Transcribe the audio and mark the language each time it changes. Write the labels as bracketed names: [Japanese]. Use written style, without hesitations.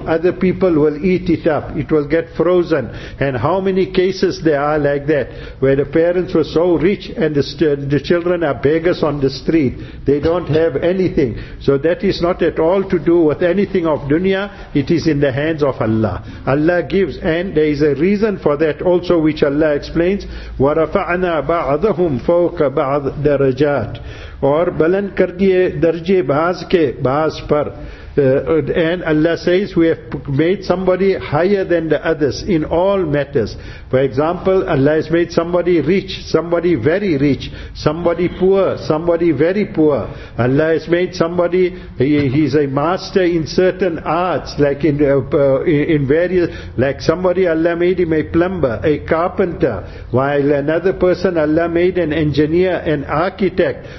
[English] Other people will eat it up. It will get frozen. And how many cases there are like that, where the parents were so rich and the children are beggars on the street. They don't have anything. So that is not at all to do with anything of dunya. It is in the hands of Allah. Allah gives, and there is a reason for that also, which Allah explains. [Arabic] وَرَفَعْنَا بَعْضَهُمْ فَوْقَ بَعْضَ دَرَجَاتِ [Urdu] اور بلن کر دیئے درجے بعض کے بعض پر. [English] And Allah says, we have made somebody higher than the others in all matters. For example, Allah has made somebody rich, somebody very rich, somebody poor, somebody very poor. Allah has made somebody, he's a master in certain arts, like in various, like somebody Allah made him a plumber, a carpenter, while another person Allah made an engineer, an architect.